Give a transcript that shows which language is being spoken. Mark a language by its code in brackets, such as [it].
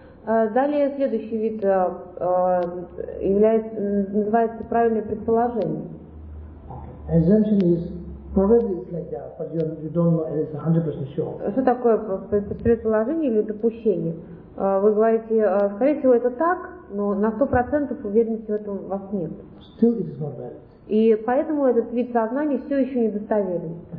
[ru] Далее следующий вид называется правильное предположение. [en] Okay. Assumption is probably it's like that, but you don't know it's 100% sure. [ru] Что такое предположение или допущение? Вы говорите, скорее всего, это так, но на 100% уверенности в этом у вас нет. [en] Still it is not valid. [ru] И поэтому этот вид сознания все еще недостоверен.